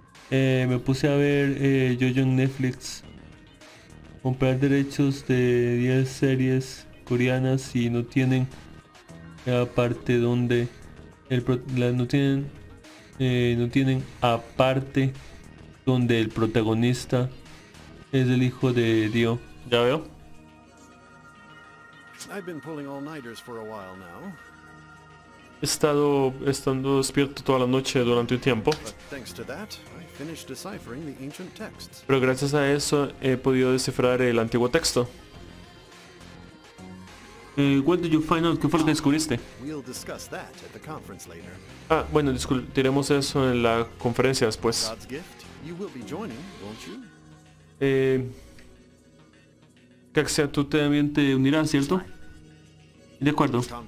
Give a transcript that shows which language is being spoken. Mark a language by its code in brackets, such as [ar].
[es] Me puse a ver JoJo en Netflix. Comprar derechos de 10 series coreanas y no tienen aparte donde el protagonista es el hijo de Dio. Ya veo. [en] I've been pulling all-nighters for a while now. [es] He estado estando despierto toda la noche durante un tiempo. [en] Thanks to that, I finished deciphering the ancient texts. [es] Pero gracias a eso he podido descifrar el antiguo texto. [en] What did you find out? [es] ¿Qué fue lo que descubriste? [en] We'll discuss that at the conference later. [es] Ah, bueno, discutiremos eso en la conferencia después. [en] God's gift, you will be joining, won't you? [es] Caxia, tú también te unirás, ¿cierto? De acuerdo.